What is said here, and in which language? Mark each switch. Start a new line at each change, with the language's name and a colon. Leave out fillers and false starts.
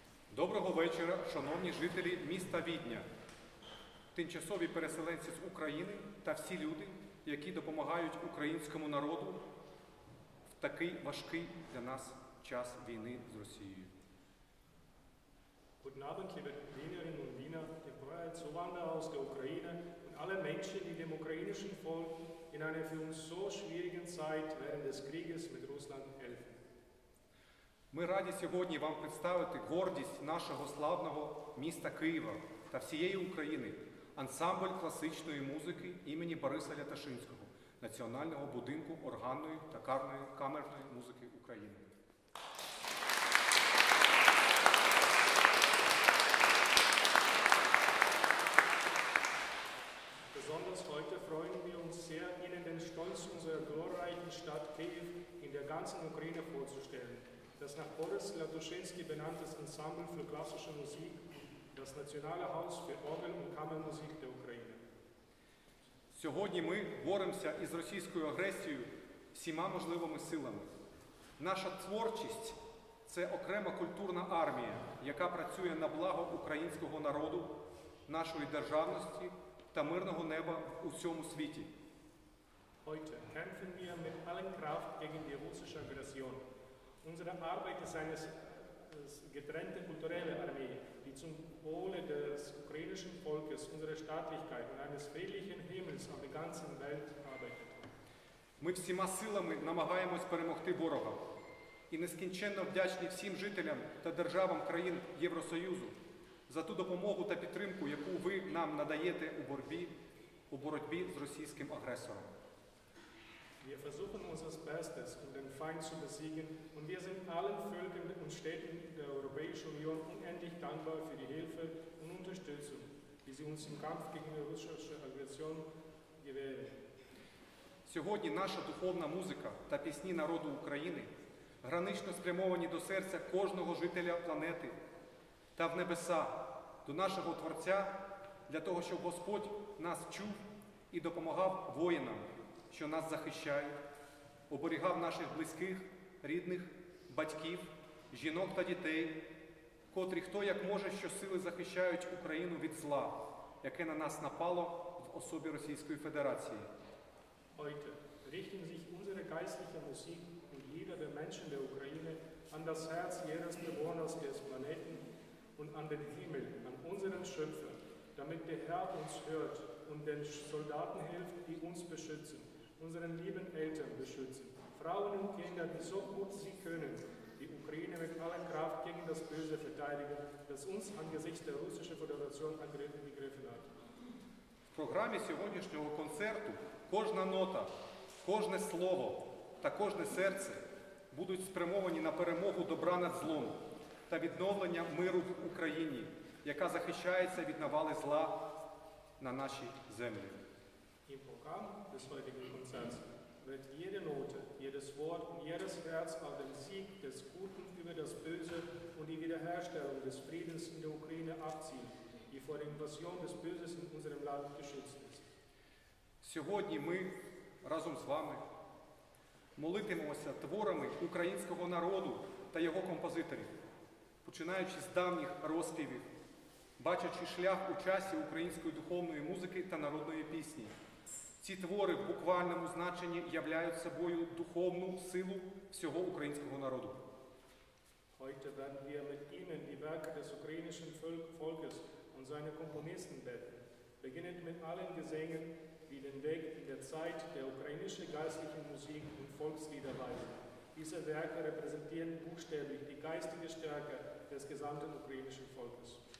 Ukrainian: Доброго вечора, шановні жителі міста Відня, тимчасові переселенці з України та всі люди, які допомагають українському народу в такий важкий для нас час війни з Росією.
German: Guten Abend, liebe Wienerinnen und Wiener, die freie Zuwanderer aus der Ukraine und alle Menschen, die dem ukrainischen Volk in einer für uns so schwierigen Zeit während des Krieges mit Russland helfen.
Ukrainian: Ми раді сьогодні вам представити гордість нашого славного міста Києва та всієї України, ансамбль класичної музики імені Бориса Лятошинського, Національного будинку органної та камерної музики України.
German: Besonders heute freuen wir uns sehr, Ihnen den Stolz unserer glorreichen Stadt Kiew in der ganzen Ukraine vorzustellen. Das nach Boris Lätuschinski benanntes Ensemble für klassische Musik, das Nationale Haus für Orgel und Kammermusik der Ukraine.
Ukrainian: Сьогодні ми боремося із російською агресією всіма можливими силами. Наша творчість – це окрема культурна армія, яка працює на благо українського народу, нашої державності та мирного неба в усьому світі.
German: Heute kämpfen wir mit allen Kraft gegen die russische Aggression. Unsere Arbeit ist eine getrennte kulturelle Armee, die zum Wohle des ukrainischen Volkes, unserer Staatlichkeit und eines friedlichen Himmels auf der ganzen Welt arbeitet.
Ukrainian: Ми всіма силами намагаємось перемогти ворога. І нескінченно вдячні всім жителям та державам країн Євросоюзу за ту допомогу та підтримку, яку ви нам надаєте у боротьбі з російським агресором.
German: Wir versuchen unser Bestes, um den Feind zu besiegen, und wir sind allen Völkern und Städten der Europäischen Union unendlich dankbar für die Hilfe und Unterstützung, die sie uns im Kampf gegen die russische Aggression gewähren.
Ukrainian: Сьогодні наша духовна музика та пісні народу України гранично спрямовані до серця кожного жителя планети та в небеса, до нашого Творця, для того, щоб Господь нас чув і допомагав воїнам, що нас захищають, оберігав наших близьких, рідних, батьків, жінок та дітей, котрі хто як може щосили захищають Україну від зла, яке на нас напало в особі Російської Федерації.
German: Heute richten sich unsere geistliche Musik und Lieder der Menschen der Ukraine an das Herz jedes Bewohners des Planeten und an den Himmel, an unseren Schöpfer, damit der Herr uns hört und den Soldaten hilft, die uns beschützen, unseren lieben Eltern beschützen, Frauen und Kinder, die so gut sie können, die Ukraine mit aller Kraft gegen das Böse verteidigen, das uns angesichts der Russischen Föderation angegriffen hat.
Ukrainian: В програмі сьогоднішнього концерту кожна нота, кожне слово та кожне серце будуть спрямовані на перемогу добра над злом та відновлення миру в Україні, яка захищається від навали зла на нашій землі.
German: Im Programm des heutigen Konzerts wird jede Note, jedes Wort und jedes Herz auf den Sieg des Guten über das Böse und die Wiederherstellung des Friedens in der Ukraine abzielen, die vor der Invasion des Böses in unserem Land geschützt ist.
Ukrainian: Сьогодні ми разом з вами молитимемося творами українського народу та його композиторів, починаючи з давніх розпівів, бачачи шлях у часі української духовної музики та народної пісні. Ці твори в буквальному значенні являють собою духовну силу всього українського народу.
German: Heute werden wir mit Ihnen die Werke des ukrainischen Volkes und seine Komponisten beten. Beginnend mit allen Gesängen, die den Weg in der Zeit der ukrainischen geistlichen Musik und Volkslieder weisen. Diese Werke repräsentieren buchstäblich die geistige Stärke des gesamten ukrainischen Volkes.